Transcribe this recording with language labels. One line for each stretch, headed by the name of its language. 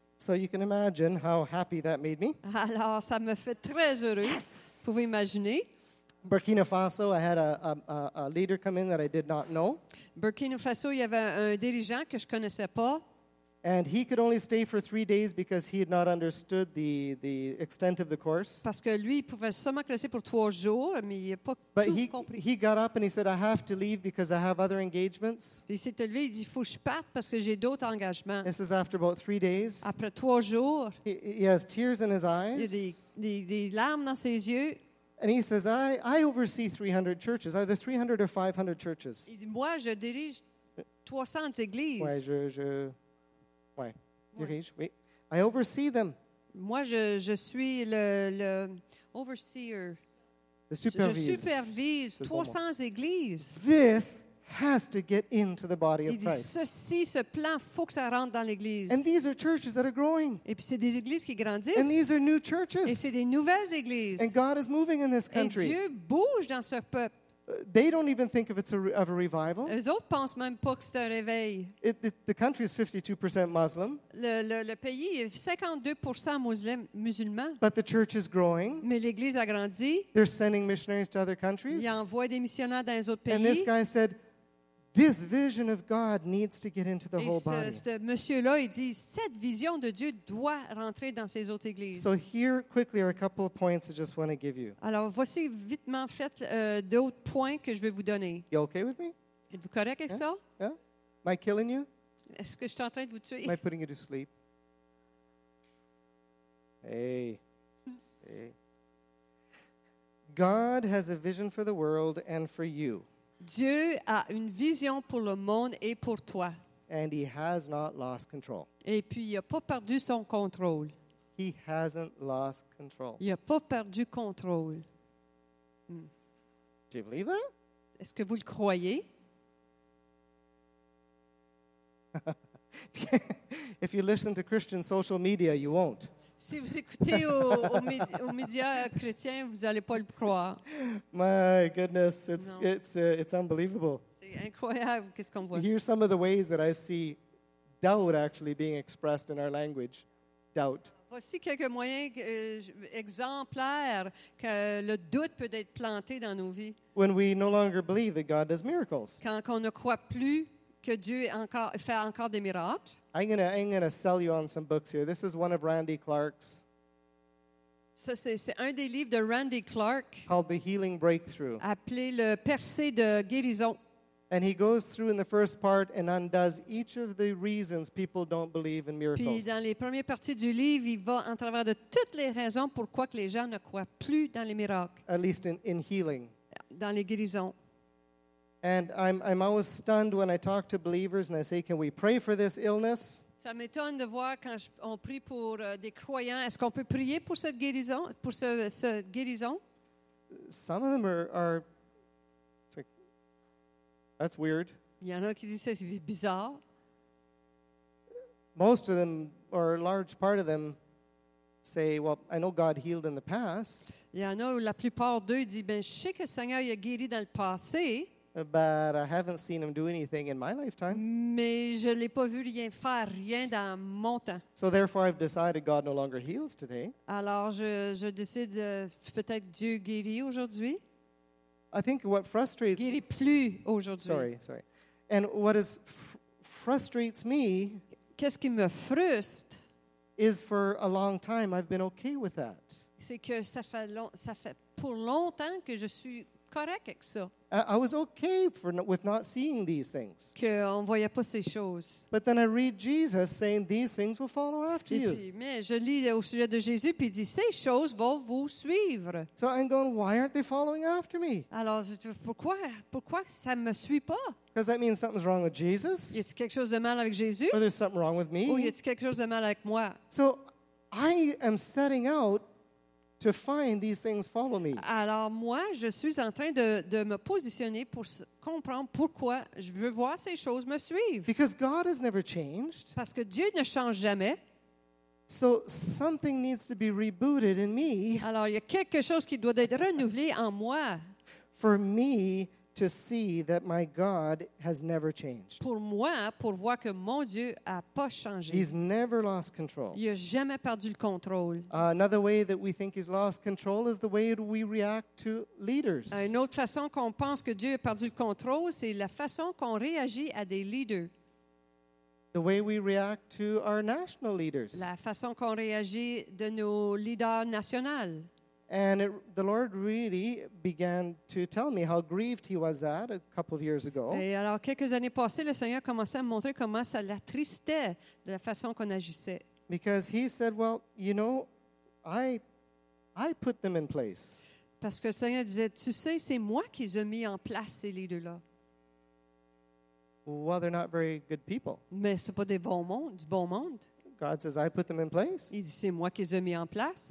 English: So you can imagine how happy that made me.
French: Alors, ça me fait très heureux.
English: Yes.
French: Vous pouvez imaginer.
English: Burkina Faso, I had a leader come in that I did not know.
French: Burkina Faso, il y avait un dirigeant que je connaissais pas.
English: And he could only stay for 3 days because he had not understood the extent of the course.
French: Parce que lui, il pouvait seulement rester pour 3 jours, mais il n'a pas tout compris.
English: But he got up and he said, "I have to leave because I have other engagements."
French: Il s'est levé, il dit, faut que je parte parce que j'ai d'autres engagements.
English: This is after about 3 days.
French: Après 3 jours.
English: He has tears in his eyes.
French: Il a des larmes dans ses yeux.
English: And he says, "I oversee 300 churches, either 300 or 500 churches."
French: Il dit, moi, je dirige 300 églises. Ouais, Oui.
English: I oversee them.
French: Moi, je suis le overseer.
English: The supervisor.
French: Je supervise 300 églises.
English: This has to get into the body of Christ.
French: Ceci, ce plan, faut que ça rentre dans l'église.
English: And these are churches that are growing.
French: Et puis c'est des églises qui grandissent.
English: And these are new churches.
French: Et c'est des nouvelles églises.
English: And God is moving in this country.
French: Et Dieu bouge dans ce peuple.
English: They don't even think of it's a revival.
French: Eux autres pensent même pas que c'est un réveil.
English: The country is 52% Muslim.
French: Le pays est 52% musulman.
English: But the church is growing.
French: Mais l'église a grandi.
English: They're sending missionaries to other countries.
French: Ils envoient des missionnaires dans les autres pays.
English: And this guy said, "This vision of God needs to get into the whole body."
French: Et ce monsieur-là, il dit, cette vision de Dieu doit rentrer dans ces autres églises.
English: So here, quickly, are a couple of points I just want to give you.
French: Alors, voici vite en fait d'autres points que je vais vous donner.
English: You okay with me?
French: Êtes-vous correct avec ça?
English: Yeah. Am I killing you?
French: Est-ce que je suis en train de vous tuer?
English: Am I putting you to sleep? Hey. God has a vision for the world and for you.
French: Dieu a une vision pour le monde et pour toi.
English: And he has not lost control.
French: Et puis, il n'a pas perdu son contrôle.
English: He hasn't lost control.
French: Il n'a pas perdu contrôle.
English: Do you believe that?
French: Est-ce que vous le croyez?
English: If you listen to Christian social media, you won't.
French: Si vous écoutez aux médias chrétiens, vous n'allez pas le croire.
English: My goodness, it's unbelievable.
French: C'est incroyable, qu'est-ce qu'on voit.
English: Here's some of the ways that I see doubt actually being expressed in our language. Doubt.
French: Voici quelques moyens exemplaires que le doute peut être planté dans nos vies.
English: When we no longer believe that God does miracles.
French: Quand on ne croit plus que Dieu fait encore des miracles.
English: I'm gonna sell you on some books here. This is one of Randy Clark's.
French: Ça, c'est un des livres de Randy Clark.
English: Called The Healing Breakthrough.
French: Appelé le percée de guérison.
English: And he goes through in the first part and undoes each of the reasons people don't believe in miracles.
French: Puis dans les premières parties du livre, il va en travers de toutes les raisons pourquoi que les gens ne croient plus dans les miracles.
English: At least in healing.
French: Dans les guérisons.
English: And I'm always stunned when I talk to believers and I say, "Can we pray for this illness?"
French: Ça m'étonne de voir quand on prie pour des croyants. Est-ce qu'on peut prier pour cette guérison, pour ce guérison?
English: Some of them are it's like, that's weird.
French: Il y en a qui disent ça, c'est bizarre.
English: Most of them, or a large part of them, say, "Well, I know God healed in the past."
French: Il y en a où la plupart d'eux disent, ben, je sais que le Seigneur a guéri dans le passé.
English: But I haven't seen him do anything in my lifetime.
French: Mais je l'ai pas vu rien faire, rien dans mon temps.
English: So therefore, I've decided God no longer heals today.
French: Alors, je décide peut-être Dieu guérit aujourd'hui.
English: I think what frustrates
French: guérit plus aujourd'hui.
English: Sorry. And what is frustrates me?
French: Qu'est-ce qui me frustre?
English: Is for a long time I've been okay with that.
French: C'est que ça fait pour longtemps que je suis correct avec ça.
English: I was okay with not seeing these things.
French: Que on voyait pas ces choses.
English: But then I read Jesus saying these things will follow after you.
French: Mais je lis au sujet de Jésus puis dit ces choses vont vous suivre.
English: So I'm going, why aren't they following after me?
French: Alors pourquoi ça me suit pas?
English: Because that means something's wrong with Jesus.
French: Y a-t-il quelque chose de mal avec Jésus?
English: Or there's something wrong with me.
French: Ou y a-t-il quelque chose de mal avec moi?
English: So I am setting out to find these things follow me.
French: Alors moi, je suis en train de me positionner pour comprendre pourquoi je veux voir ces choses me suivre.
English: Because God has never changed.
French: Parce que Dieu ne change jamais.
English: So something needs to be rebooted in me.
French: Alors il y a quelque chose qui doit être renouvelé en moi.
English: For me to see that my God has never changed.
French: Pour moi, pour voir que mon Dieu a pas changé.
English: He's never lost control.
French: Il a jamais perdu le contrôle.
English: Another way that we think he's lost control is the way we react to leaders.
French: Une autre façon qu'on pense que Dieu a perdu le contrôle, c'est la façon qu'on réagit à des leaders.
English: The way we react to our national leaders.
French: La façon qu'on réagit de nos leaders nationaux.
English: And the Lord really began to tell me how grieved he was at a couple of years ago.
French: Et alors quelques années passées, le Seigneur commençait à me montrer comment ça l'attristait de la façon qu'on agissait.
English: Because he said, well, you know, I put them in place.
French: Parce que le Seigneur disait, tu sais, c'est moi qui les ai mis en place, ces leaders-là.
English: Well, they're not very good people.
French: Mais c'est pas du bon monde.
English: God says, I put them in place.
French: Il dit, c'est moi qui les ai mis en place.